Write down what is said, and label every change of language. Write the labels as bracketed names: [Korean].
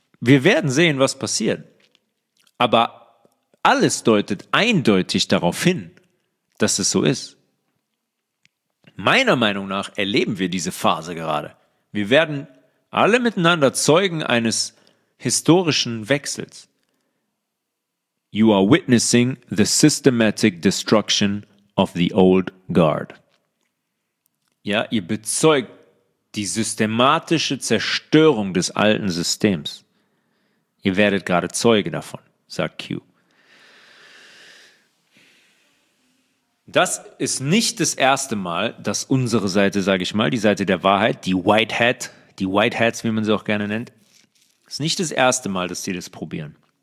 [German] Wir werden sehen, was passiert. Aber alles deutet eindeutig darauf hin, dass es so ist. Meiner Meinung nach erleben wir diese Phase gerade. Wir werden alle miteinander Zeugen eines historischen Wechsels. [English] You are witnessing the systematic destruction of the old guard. [German] Ja, ihr bezeugt die systematische Zerstörung des alten Systems. Ihr werdet gerade Zeuge davon, sagt Q. Das ist nicht das erste Mal, dass unsere Seite, sage ich mal, die Seite der Wahrheit, die White Hats, wie man sie auch gerne nennt, ist nicht das erste Mal, dass sie das probieren.